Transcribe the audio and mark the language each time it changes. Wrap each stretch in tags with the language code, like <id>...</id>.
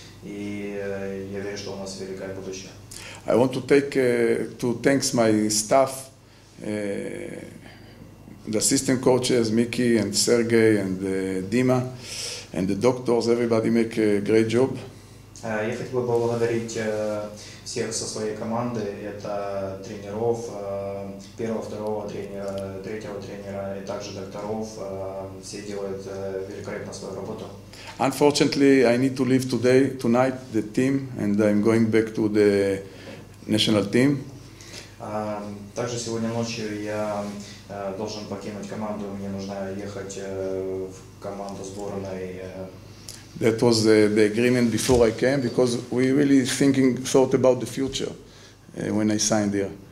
<ru>И я верю, что у нас великое будущее.</ru> <en>I want to take to thanks my staff, the assistant coaches, Mickey and Sergey and Dima. And the doctors, everybody make a great job.</en> <ru>Я хотел бы поблагодарить всех со своей команды. Это тренеров, первого, второго тренера, третьего тренера и также докторов. Все делают великолепно свою работу.</ru> <en>Unfortunately, I need to leave today, tonight, the team, and I'm going back to the national team.</en> <ru>Также сегодня ночью я должен покинуть команду. Мне нужно ехать в команду сборной.</ru> <en>That was the agreement before I came, because we really thought about the future when I signed here.</en>